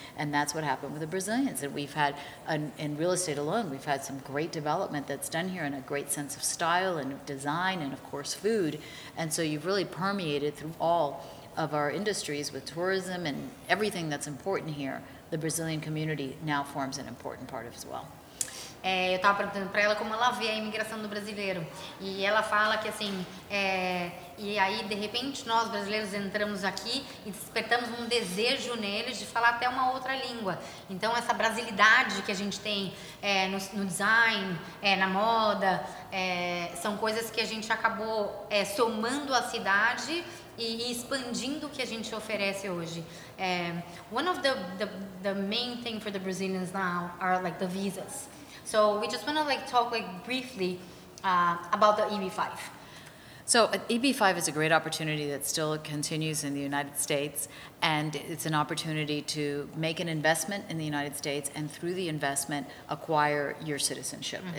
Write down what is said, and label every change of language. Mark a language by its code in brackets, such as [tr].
[en] And that's what happened with the Brazilians. And we've had, in real estate alone, we've had some great development that's done here and a great sense of style and design and, of course, food. And so you've really permeated through all of our industries with tourism and everything that's important here. The Brazilian community now forms an important part as well. [pt] Eu estava perguntando para ela como ela vê a imigração do brasileiro. E ela fala que assim, e aí de repente nós brasileiros entramos aqui e despertamos um desejo neles de falar até uma outra língua. Então essa brasilidade que a gente tem no design, na moda, são coisas que a gente acabou somando à cidade e expandindo o que a gente oferece hoje. [en] One of the main thing for the Brazilians now are like the visas. So we just want to like talk like briefly about the EB-5. So EB-5 is a great opportunity that still continues in the United States, and it's an opportunity to make an investment in the United States and through the investment acquire your citizenship. Mm-hmm.